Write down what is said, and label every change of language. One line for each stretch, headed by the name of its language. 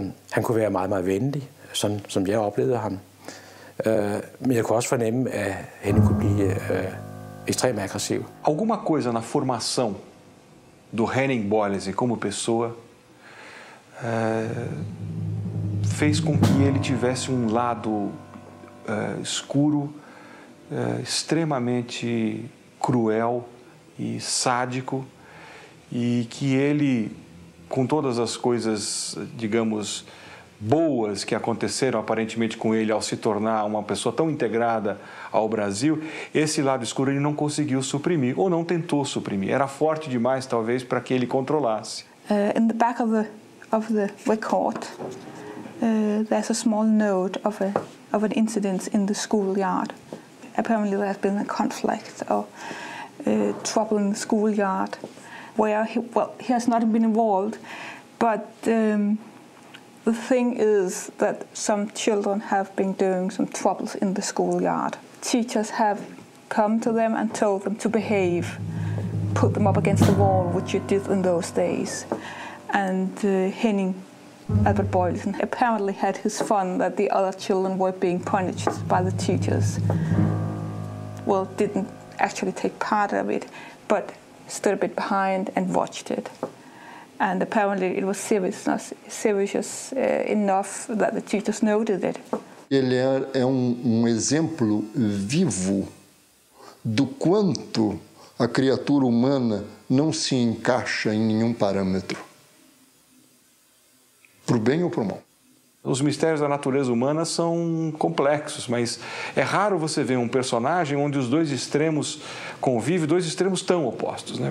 Danish: Han kunne være meget, meget venlig, sådan som jeg oplevede ham. Men jeg kunne også fornemme, at Henning kunne blive ekstremt aggressiv.
Portuguese: Alguma coisa na formação do Henning Bollesen como pessoa fez com que ele tivesse um lado escuro, extremamente cruel e sádico, e que ele, com todas as coisas, digamos, boas que aconteceram aparentemente com ele ao se tornar uma pessoa tão integrada ao Brasil, esse lado escuro ele não conseguiu suprimir, ou não tentou suprimir. Era forte demais, talvez, para que ele controlasse.
English: In the back of the record, there's a small note of an incident in the schoolyard. Apparently there had been a conflict or trouble in the schoolyard, where he has not been involved, but the thing is that some children have been doing some troubles in the schoolyard. Teachers have come to them and told them to behave, put them up against the wall, which you did in those days. And Henning, Albert Boylesen, apparently had his fun that the other children were being punished by the teachers. Well, didn't actually take part of it, but stood a bit behind and watched it. And apparently it was serious enough that the teachers noted it.
Portuguese: Ele é um exemplo vivo do quanto a criatura humana não se encaixa em nenhum parâmetro. Para o bem ou para o mal. Os mistérios da natureza humana são complexos, mas é raro você ver um personagem onde os dois extremos convivem, dois extremos tão opostos, né?